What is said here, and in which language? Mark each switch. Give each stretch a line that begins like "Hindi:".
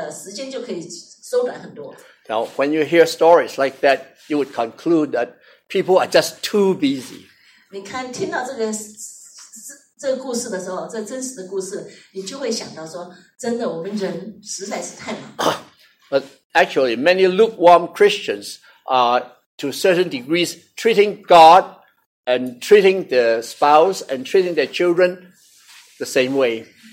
Chinese: 那因为很多人，因为有想到这样的方式的，是因为他在看到很多人，人都是现代的人太忙了哈，太忙了，所以呢也没有时间可以这样的在一个地方这样好好的看，所以呢他就用你就干脆这样用开车的这样速度就可以进，这个时间就可以缩短很多。Now
English: when you hear stories like that, you would conclude that people are just too busy.
Chinese: 你看听到这个。这个故事的时候，这真实的故事，你就会想到说，真的，我们人实在是太忙。But
English: actually, many lukewarm Christians are, to certain degrees, treating God and treating the spouse and treating their children the same way.